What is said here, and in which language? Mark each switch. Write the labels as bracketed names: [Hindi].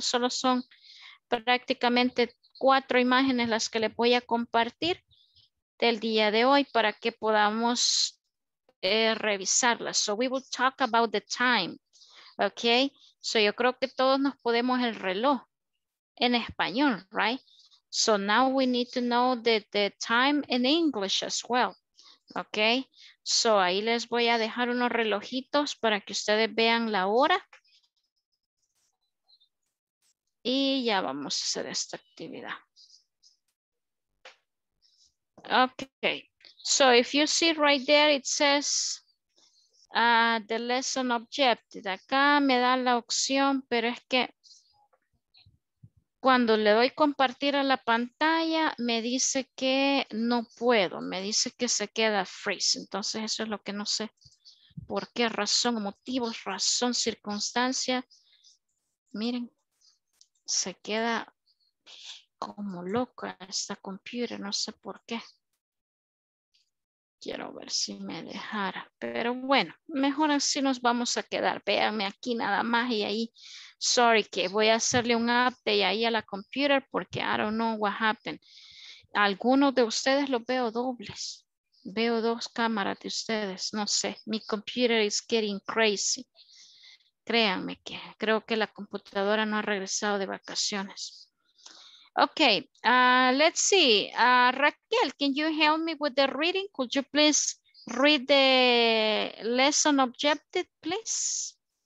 [Spanish] Solo son prácticamente 4 imágenes las que les voy a compartir del día de hoy para que podamos revisarlas. [English] So we will talk about the time. Okay. So [Spanish] yo creo que todos nos podemos el reloj en español, [English] right? So now we need to know the time in English as well. Okay. [Spanish] So ahí les voy a dejar unos relojitos para que ustedes vean la hora. Y ya vamos a hacer esta actividad. [English] Okay. So if you see right there, it says the lesson objective. [Spanish] Acá me da la opción, pero es que cuando le doy compartir a la pantalla, me dice que no puedo. Me dice que se queda freeze. Entonces eso es lo que no sé por qué razón, motivos, razón, circunstancia. Miren, se queda como loca esta computer. No sé por qué. Quiero ver si me dejara. Pero bueno, mejor así nos vamos a quedar. Véanme aquí nada más y ahí... Sorry, que voy a hacerle un update ahí a la computer porque [English] I don't know what happened. [Spanish] Algunos de ustedes los veo dobles. Veo dos cámaras de ustedes. No sé, mi [English] computer is getting crazy. [Spanish] Créanme que creo que la computadora no ha regresado de vacaciones. [English] Ok, let's see. Raquel, can you help me with the reading? Could you please read the lesson objective, please?